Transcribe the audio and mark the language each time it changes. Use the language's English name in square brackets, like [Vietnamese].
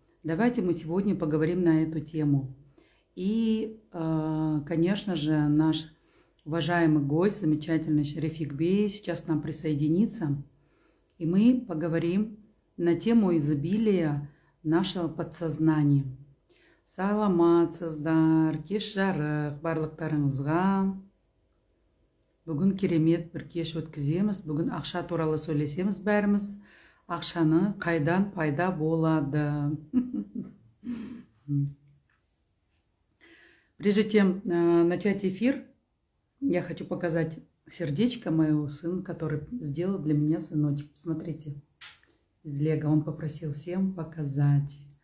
[Russian] Давайте мы сегодня поговорим на эту тему. И, конечно же, наш уважаемый гость, замечательный Рафик Бей, сейчас к нам присоединится, и мы поговорим на тему изобилия нашего подсознания. [Kazakh] Саламатсыздар, кеш жарық, барлықтарыңызға. Бүгін керемет бір кеш өткіземіз, бүгін ақша туралы сөйлесеміз бәріміз. Ақшаны қайдан пайда болады. [Russian] Прежде чем начать эфир, я хочу показать сердечко моего сына, который сделал для меня сыночек. Посмотрите, из лего он попросил всем показать.